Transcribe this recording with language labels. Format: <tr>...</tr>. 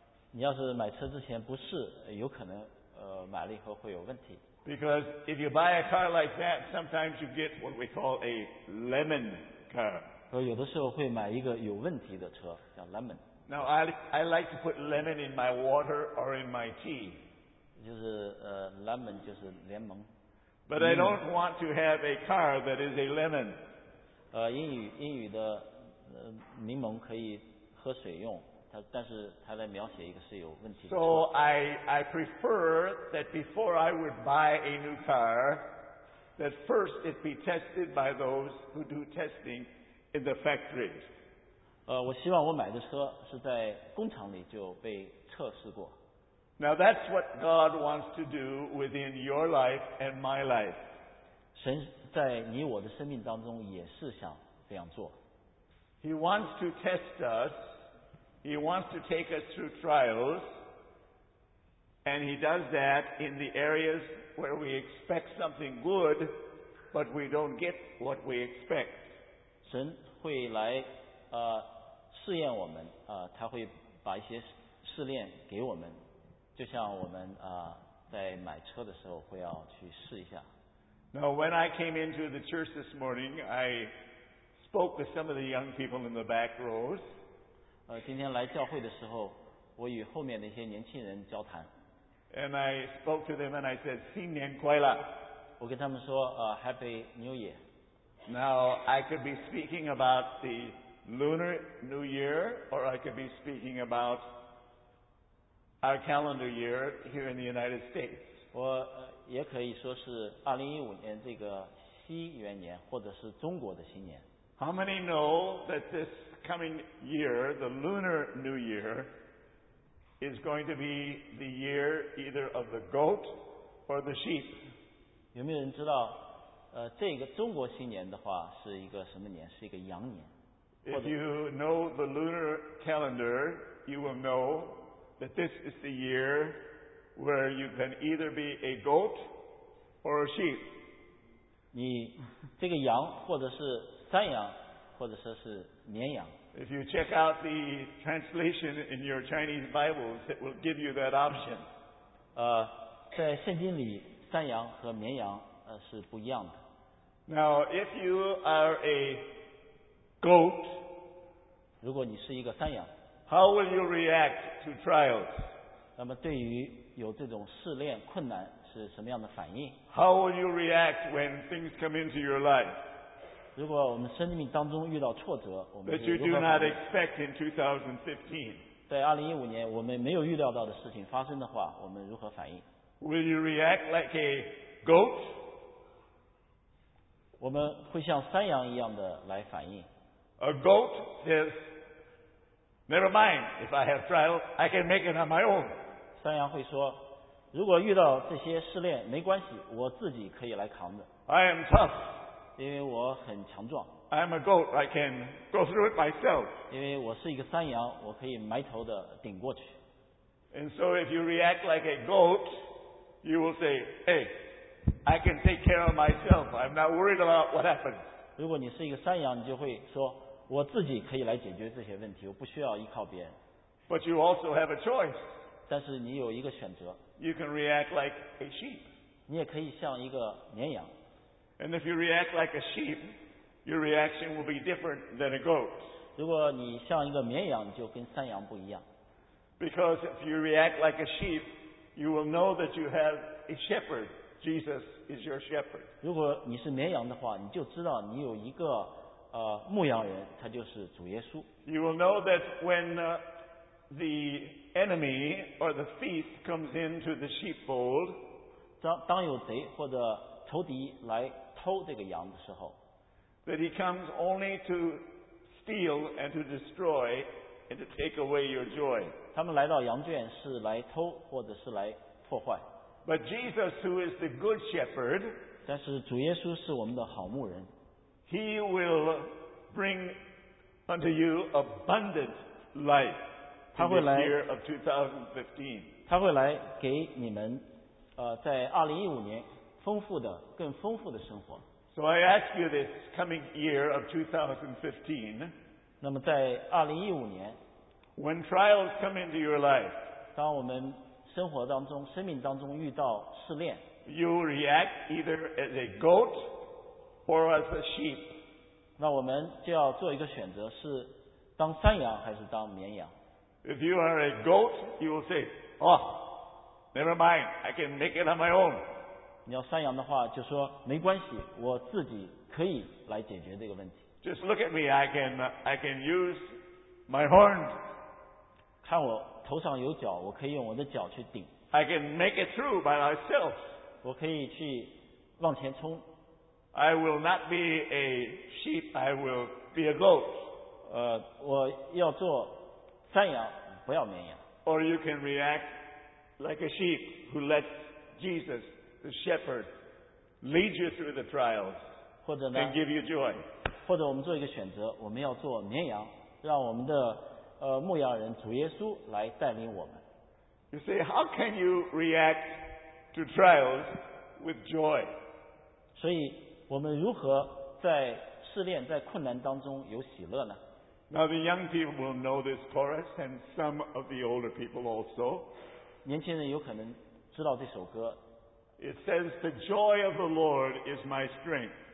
<zh>你要是买车之前不试，有可能买了以后会有问题。</zh> <en>Because if you buy a car like that, sometimes you get what we call a lemon car.</en> <zh>说有的时候会买一个有问题的车，叫 lemon。</zh> <en>Now I like to put lemon in my water or in my tea.</en> <zh>就是lemon 就是柠檬。</zh> <en>But I don't want to have a car that is a lemon.</en> <zh>英语的柠檬可以喝水用。但是他来描写一个是有问题的。</zh> <en>So I prefer that before I would buy a new car, that first it be tested by those who do testing in the factories.</en> <zh>我希望我买的车是在工厂里就被测试过。</zh> <en>Now that's what God wants to do within your life and my life.</en> <zh>神在你我的生命当中也是想这样做。</zh> <en>He wants to test us. He wants to take us through trials, and he does that in the areas where we expect something good, but we don't get what we expect.</en> <zh>神会来试验我们，他会把一些试炼给我们，就像我们在买车的时候会要去试一下。</zh> <en>Now, when I came into the church this morning, I spoke with some of the young people in the back rows.</en> <zh>今天来教会的时候，我与后面的一些年轻人交谈。</zh> <en>And I spoke to them and I said,</en> <zh>新年快乐。我跟他们说</zh> <en>Happy New Year。 Now, I could be speaking about the Lunar New Year, or I could be speaking about our calendar year here in the United States.</en> <zh>我也可以说是2015年这个西元年，或者是中国的新年。</zh> <en>How many know that this coming year, the Lunar New Year, is going to be the year either of the goat or the sheep?</en> <zh>有没有人知道，这个中国新年的话是一个什么年？是一个羊年。</zh> <en>If you know the lunar calendar, you will know that this is the year where you can either be a goat or a sheep.</en> <zh>你这个羊或者是山羊或者说是绵羊。</zh> <en>If you check out the translation in your Chinese Bibles, it will give you that option.</en> <zh>在圣经里，山羊和绵羊是不一样的。</zh> <en>Now, if you are a goat,</en> <zh>如果你是一个山羊，</zh> <en>how will you react to trials?</en> <zh>那么对于有这种试炼困难是什么样的反应？</zh> <en>How will you react when things come into your life?</en> <zh>如果我们生命当中遇到挫折，我们</zh> <en>But you do not expect in 2015.</en> <zh>在2015年我们没有预料到的事情发生的话，我们如何反应？</zh> <en>Will you react like a goat?</en> <zh>我们会像山羊一样的来反应。</zh> <en>A goat says, "Never mind. If I have trials, I can make it on my own."</en> <zh>山羊会说，如果遇到这些试炼，没关系，我自己可以来扛的。</zh> <en>I am tough.</en> <zh>因为我很强壮。</zh> <en>I'm a goat, I can go through it myself.</en> <zh>因为我是一个山羊，我可以埋头的顶过去。</zh> <en>And so if you react like a goat, you will say, hey, I can take care of myself. I'm not worried about what happens.</en> <zh>如果你是一个山羊，你就会说，我自己可以来解决这些问题，我不需要依靠别人。</zh> <en>But you also have a choice.</en> <zh>但是你有一个选择。</zh> <en>You can react like a sheep.</en> <zh>你也可以像一个绵羊。</zh> <en>And if you react like a sheep, your reaction will be different than a goat.</en> <zh>如果你像一个绵羊，你就跟山羊不一样。</zh> <en>Because if you react like a sheep, you will know that you have a shepherd. Jesus is your shepherd.</en> <zh>如果你是绵羊的话，你就知道你有一个牧羊人，他就是主耶稣。</zh> <en>You will know that when the enemy or the thief comes into the sheepfold,</en> <zh>当有贼或者仇敌来偷这个羊的时候，</zh> <en>that he comes only to steal and to destroy and to take away your joy.</en> <zh>他们来到羊圈是来偷或者是来破坏。</zh> <en>But Jesus, who is the good shepherd,</en> <zh>但是主耶稣是我们的好牧人，</zh> <en>he will bring unto you abundant life in the year of 2015.</en> <zh>他会来给你们在2015年丰富的更丰富的生活。</zh> <en>So I ask you this coming year of 2015,</en> <zh>那么在2015年</zh> <en>when trials come into your life,</en> <zh>当我们生活当中、生命当中遇到试炼，</zh> <en>you react either as a goat or as a sheep.</en> <zh>那我们就要做一个选择，是当山羊还是当绵羊？</zh> <en>If you are a goat, you will say, "Oh, never mind, I can make it on my own."</en> <zh>你要山羊的话，就说没关系，我自己可以来解决这个问题。</zh> <en>Just look at me, I can use my horns.</en> <zh>看我头上有角，我可以用我的角去顶。</zh> <en>I can make it through by myself.</en> <zh>我可以去往前冲。</zh> <en>I will not be a sheep, I will be a goat.</en> <zh>我要做山羊，不要绵羊。</zh> <en>Or you can react like a sheep who lets Jesus, the shepherd, lead you through the trials and give you joy.</en> <zh>或者我们做一个选择，我们要做绵羊，让我们的牧羊人主耶稣来带领我们。</zh> <en>You say, how can you react to trials with joy?</en> <zh>所以我们如何在试炼、在困难当中有喜乐呢？</zh> <en>Now the young people will know this chorus and some of the older people also.</en> <zh>年轻人有可能知道这首歌。</zh> <en>It says, the joy of the Lord is my strength.</en>